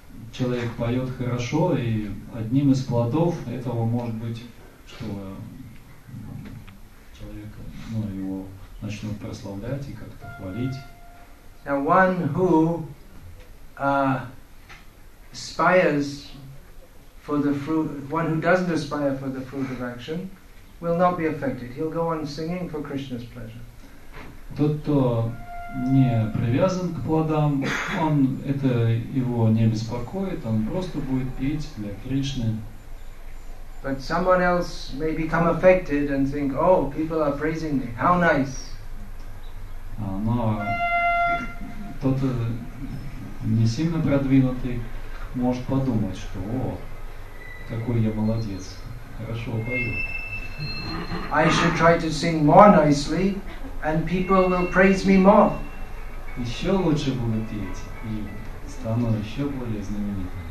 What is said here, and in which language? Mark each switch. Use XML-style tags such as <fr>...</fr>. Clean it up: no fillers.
<ru>Человек поет хорошо, и одним из плодов этого может быть, что человек, ну, его начнут прославлять и как-то хвалить.</ru> <en>Now one who aspires for the fruit, one who doesn't aspire for the fruit of action, will not be affected. He'll go on singing for Krishna's pleasure.</en> <ru>Тот, кто не привязан к плодам, он это его не беспокоит, он просто будет петь для Кришны.</ru> <en>But someone else may become affected and think, oh, people are praising me, how nice.</en> <ru>Но тот не сильно продвинутый может подумать, что о, какой я молодец, хорошо пою.</ru> <en>I should try to sing more nicely, and people will praise me more.</en> <ru>Еще лучше буду петь, и стану еще более знаменитым.</ru>